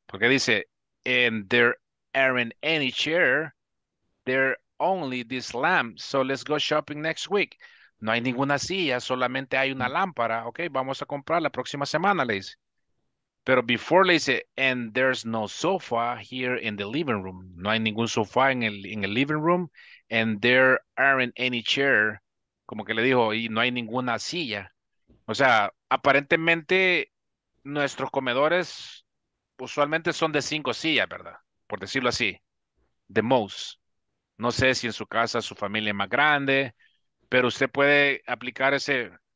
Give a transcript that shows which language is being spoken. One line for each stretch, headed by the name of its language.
Spanish: Porque dice,
English: and there aren't any chair, there only this lamp, so let's go shopping next week.
Spanish: No hay ninguna silla, solamente hay una lámpara. Ok, vamos a comprar la próxima semana, le dice. Pero before le dice,
English: and there's no sofa here in the living room.
Spanish: No hay ningún sofá en el living room,
English: and there aren't any chair.
Spanish: Como que le dijo, y no hay ninguna silla. O sea, aparentemente nuestros comedores usualmente son de 5 sillas, ¿verdad? Por decirlo así,
English: the most.
Spanish: No sé si en su casa su familia es más grande, pero usted puede aplicar ese.